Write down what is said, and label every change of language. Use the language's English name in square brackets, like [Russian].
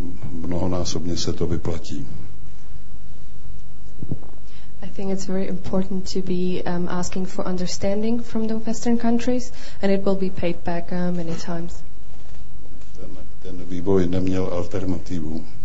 [Czech] Mnohonásobně se to vyplatí. [English] I think it's very important to be asking for understanding from the Western countries, and it will be paid back many times. [Czech] Ten vývoj neměl alternativu.